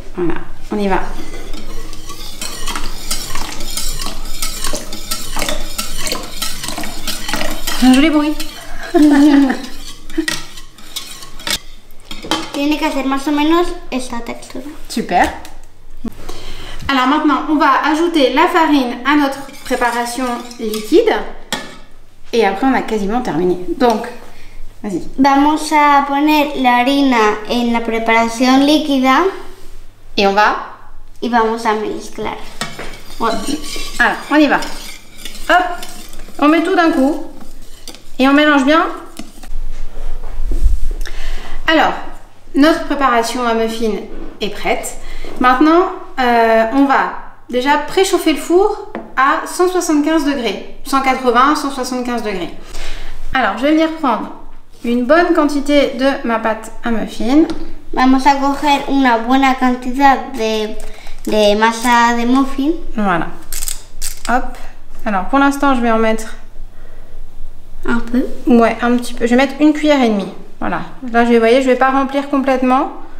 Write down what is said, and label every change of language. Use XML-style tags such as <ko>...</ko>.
<fr>Voilà, on y va. Un joli bruit.</fr> <es>Tiene que hacer más o menos esta textura.</es> <fr>Super. Alors maintenant, on va ajouter la farine à notre préparation liquide. Et après, on a quasiment terminé. Donc, vas-y.</fr> <es>Vamos a poner la harina en la preparación líquida.</es> <fr>Et on va.</fr> <es>Y vamos a mezclar.</es> <fr>Alors, on y va. Hop. On met tout d'un coup. Et on mélange bien. Alors, notre préparation à muffins est prête. Maintenant, on va déjà préchauffer le four à 175 degrés. 180, 175 degrés. Alors, je vais venir prendre une bonne quantité de ma pâte à muffins.</fr> <es>Vamos a coger una buena cantidad de masa de muffins.</es> <fr>Voilà. Hop. Alors, pour l'instant, je vais en mettre... Un peu. Ouais, un petit peu. Je vais mettre une cuillère et demie. Voilà. Là, je vais, voyez, je vais pas remplir complètement.</fr>